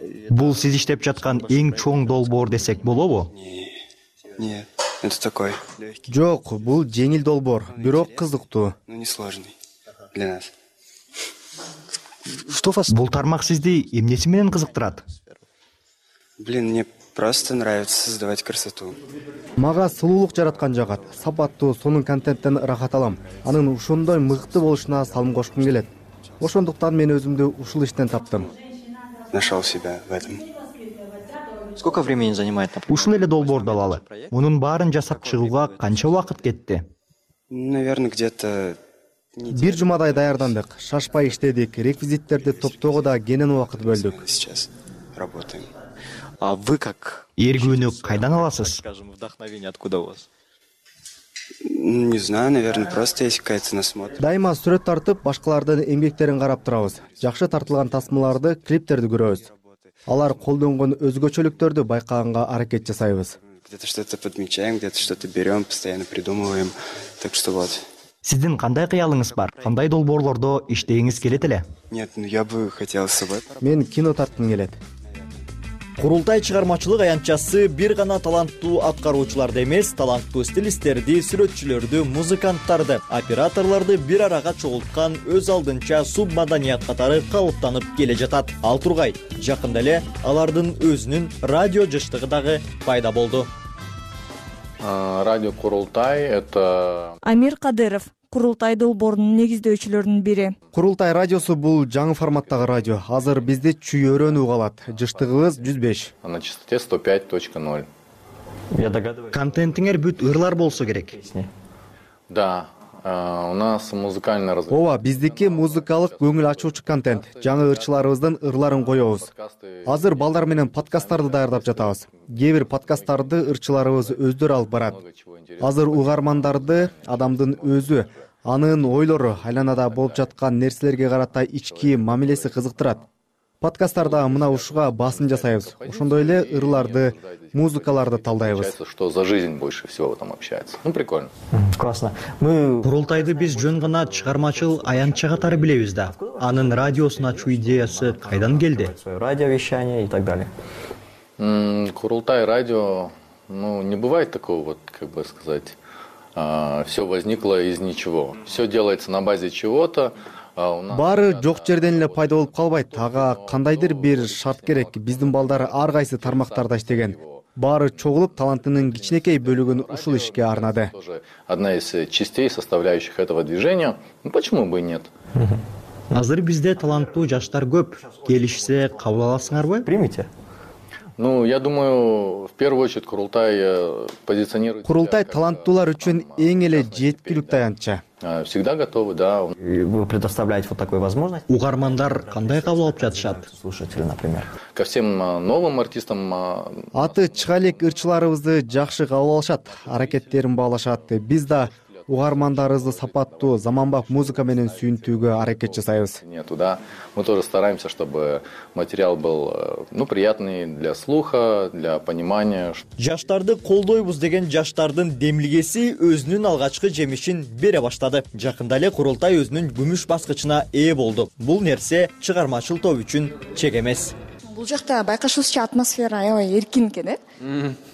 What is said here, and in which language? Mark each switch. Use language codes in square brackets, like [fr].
[ky] Бул сиз иштеп жаткан эң чоң долбоор десек болобу? [ru] Нет, это такой. [ky] Жок, бул жеңил долбоор, бирок кызыктуу. [ru] Ну не сложный для нас. Что вас? [ky] Бул тармак сизди эмнеси менен кызыктырат? [ru] Блин, мне просто нравится создавать красоту. [ky] Мага сулуулук жараткан жагат. Сапаттуу сонун контенттен ырахат алам. Анын ушундай мыкты болушуна салым кошкум келет. Ошондуктан мен өзүмдү ушул иштен таптым. [ru] Нашел себя в этом. Сколько времени занимает? [ky] Ушул эле долбоорду алалы. Мунун баарын жасап чыгууга канча убакыт кетти? [ru] Наверное, где-то... [ky] Бир жумадай даярдандык, шашпай иштедик, реквизиттерди топтоого да кенен убакыт бөлдүк. [ru] Сейчас работаем. А вы как? [ky] Эргүүнү кайдан аласыз? [ru] Скажем, вдохновение откуда у вас? Не знаю, наверное, просто есть какая-то насмотр. [ky] Дайыма сүрөт тартып, башкалардын эмгектерин карап турабыз. Жакшы тартылган тасмаларды, клиптерди көрөбүз. Алар колдонгон өзгөчөлүктөрдү байкаганга аракет жасайбыз. [ru] Где-то что-то подмечаем, где-то что-то берем, постоянно придумываем. Так что вот. [ky] Сиздин кандай кыялыңыз бар? Кандай долбоорлордо иштегиңиз келет эле? [ru] Нет, ну я бы хотел собой. [ky] Мен кино тарткым келет. Курултай чыгармачылык аянтчасы бир гана таланттуу аткаруучуларды эмес, таланттуу стилисттерди, сүрөтчүлөрдү, музыканттарды, операторлорду бир арага чогулткан өз алдынча субмаданият катары калыптанып келе жатат. Ал тургай, жакында эле алардын өзүнүн радио жыштыгы дагы пайда болду. [ru] Радио Курултай это Амир Кадыров. [ky] Курултай долбоорунун негиздөөчүлөрүнүн бири. Курултай радиосу бул жаңы форматтагы радио. Азыр бизди чүй өрөнүп алат. Жыштыгыбыз 105. [ru] На частоте 105.0. Я догадываюсь. [ky] Контентиңер бүт ырлар болсо керек. [ru] Да. У нас музыкальный разговор. [ky] Ова, биздики музыкалык көңүл ачуучу контент. Жаңы ырчыларыбыздын ырларын коёбуз. Азыр балдар менен подкасттарды даярдап жатабыз. Кээ бир подкасттарды ырчыларыбыз өздөрү алып барат. Азыр угармандарды адамдын өзү, анын ойлору, айланада болуп жаткан нерселерге карата ички мамилеси кызыктырат. Подкасттарда мына ушуга басым жасайбыз. Ошондой эле ырларды, музыкаларды талдайбыз. [ru] Что за жизнь больше всего там общается? Ну, прикольно. Классно. [ky] Курултайды биз жөн гана чыгармачыл аянтча катары билебиз да. Анын радиосун ачуу идеясы кайдан келди? [ru] Радио вещание и так далее. Курултай радио, ну, не бывает такого вот, как бы сказать, все возникло из ничего. Все делается на базе чего-то. [ky] Баары жок жерден эле пайда болуп калбайт. Ага кандайдыр бир шарт керек. Биздин балдар ар кайсы тармактарда иштеген. Баары чогулуп талантынын кичинекей бөлүгүн ушул ишке арнады. [ru] Одна из частей составляющих этого движения. Ну почему бы и нет? [ky] Азыр бизде таланттуу жаштар көп. Келишсе кабыл аласыңарбы? [ru] Примите. Ну, я думаю, в первую очередь Курултай позиционирует. [ky] Курултай таланттуулар үчүн эң эле жеткиликтүү аянтча. [ru] Всегда готовы, да. Вы предоставляете вот такую возможность? [ky] Угармандар кандай кабыл алып жатышат? [ru] Слушатели, например. Ко всем новым артистам. [ky] Аты чыга элек ырчыларыбызды жакшы кабыл алышат, аракеттерин баалашат. Биз да угармандарыбызды сапаттуу, заманбап музыка менен сүйүнтүүгө аракет жасайбыз. [ru] Нету, да. Мы тоже стараемся, чтобы материал был, ну, приятный для слуха, для понимания. [ky] Жаштарды колдойбуз деген жаштардын демилгеси өзүнүн алгачкы жемишин бере баштады. Жакында эле Курултай өзүнүн күмүш баскычына ээ болду. Бул нерсе чыгармачыл топ үчүн чек эмес. Бул жакта байкашыбызча атмосфера аябай эркин экен, э?